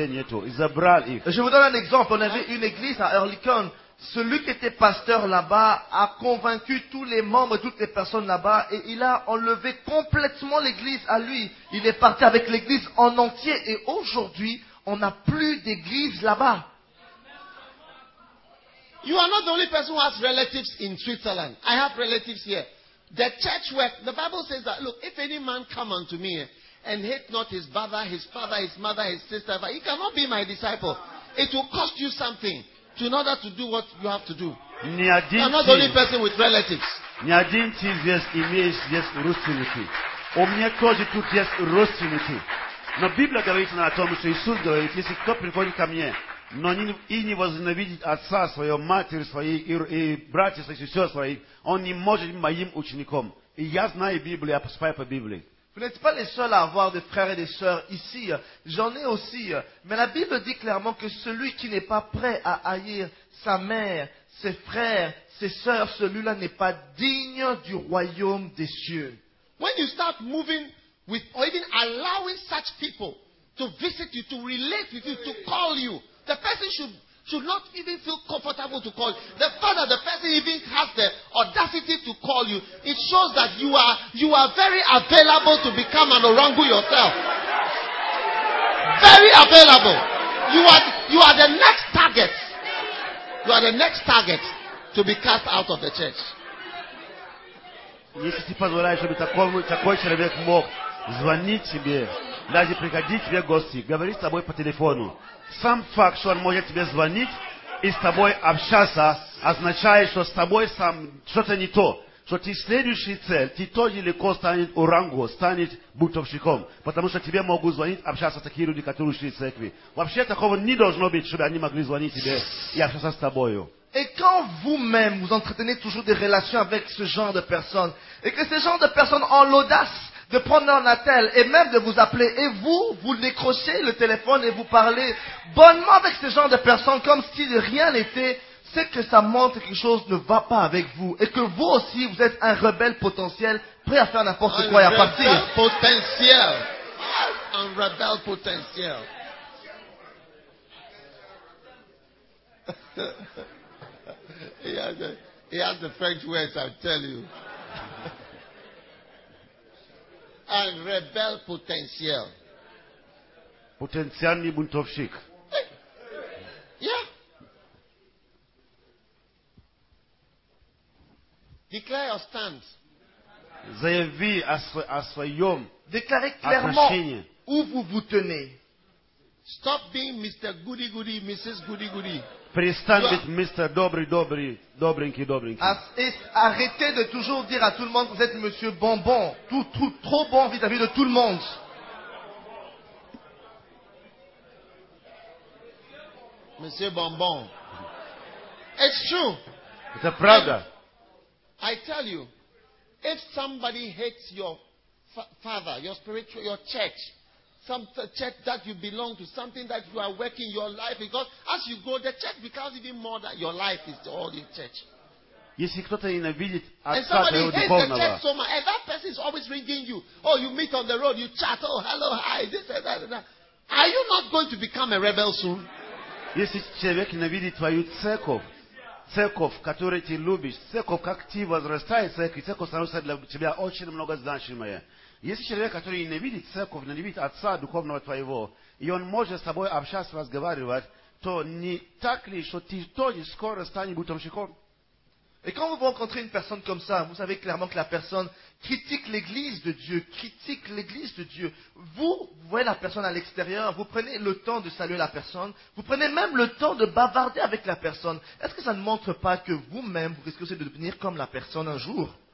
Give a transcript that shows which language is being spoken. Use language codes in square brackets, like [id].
[fr] Je vous donne un exemple. On avait une église à Ellicon. Celui qui était pasteur là-bas a convaincu tous les membres, toutes les personnes là-bas, et il a enlevé complètement l'église à lui. Il est parti avec l'église en entier, et aujourd'hui, on n'a plus d'église là-bas. [en] You are not the only person who has relatives in Switzerland. I have relatives here. The church where the Bible says that, look, if any man come unto me and hate not his brother, his father, his mother, his sister, he cannot be my disciple. It will cost you something in order to do what you have to do. I'm not the only person with relatives. [ru] Ни один из вас имеет здесь родственники. У меня тоже тут есть родственники. Но Библия говорит нам о том, что Иисус говорит, если кто приходит ко мне, но и не возненавидит отца своего, матери своей и братья своих, сестер своих, он не может быть моим учеником. И я знаю Библию, я поступаю по Библии. [fr] Vous n'êtes pas les seuls à avoir des frères et des sœurs ici. J'en ai aussi. Mais la Bible dit clairement que celui qui n'est pas prêt à haïr sa mère, ses frères, ses sœurs, celui-là n'est pas digne du royaume des cieux. [en] When you start moving with or even allowing such people to visit you, to relate with you, to call you, the person should not even feel comfortable to call you. The fact that the person even has the audacity to call you, it shows that you are very available to become an orangu yourself. Very available. You are the next target. You are the next target to be cast out of the church. [ru] Если ты позволяешь, чтобы такой человек мог звонить тебе, даже приходить тебе в гости, говорить с тобой по телефону. Сам факт, что он может тебе звонить и с тобой общаться, означает, что с тобой сам что-то не то. Что ты следующий цель, ты тоже легко станет урангу, станет бунтовщиком. Потому что тебе могут звонить, общаться такие люди, которые ушли из церкви. Вообще такого не должно быть, чтобы они могли звонить тебе и общаться с тобою. [fr] Et quand vous-même vous entretenez toujours des relations avec ce genre de personnes, et que ce genre de personnes ont l'audace de prendre un appel et même de vous appeler, et vous décrochez le téléphone et vous parlez bonnement avec ce genre de personnes comme si rien n'était, c'est que ça montre que quelque chose ne va pas avec vous, et que vous aussi, vous êtes un rebelle potentiel, prêt à faire n'importe quoi et à partir. Un rebelle potentiel. Un rebelle potentiel. [en] He has the French words, I'll tell you. And rebel potentiel. Potentiel ni buntovshik. Yeah. Declare your stand. [ru] Заяви о своем. [fr] Déclarez clairement où vous vous tenez. [en] Stop being Mr. Goody Goody, Mrs. Goody Goody. [ru] Перестань быть мистер добрый, добренький, добренький. [fr] Arrêtez de toujours dire à tout le monde que vous êtes monsieur bonbon. Tout trop bon vis-à-vis de tout le monde. Monsieur bonbon. [en] It's true. [fr] C'est la правда. [en] I tell you, if somebody hates your father, your spiritual, your church, some church that you belong to, something that you are working your life, because as you go, the church becomes even more that your life is all in church. [ru] Если кто-то ненавидит отца твоего духовного, [en] and somebody hates the church so much, that person is always ringing you. Oh, you meet on the road, you chat. Oh, hello, hi. This and that and that. Are you not going to become a rebel soon? [ru] Если человек ненавидит твою церковь, которую ты любишь, церковь, как ты возрастаешь, церковь становится для тебя очень много значимая. Если человек, который ненавидит церковь, ненавидит отца духовного твоего, и он может с тобой общаться, разговаривать, то не так ли, что ты тоже скоро станешь бунтовщиком? [fr] Et quand vous rencontrez une personne comme ça, vous savez clairement que la personne critique l'église de Dieu, critique l'église de Dieu. Vous voyez la personne à l'extérieur, vous prenez le temps de saluer la personne, vous prenez même le temps de bavarder avec la personne. Est-ce que ça ne montre pas que vous-même, vous risquez de devenir comme la personne un jour?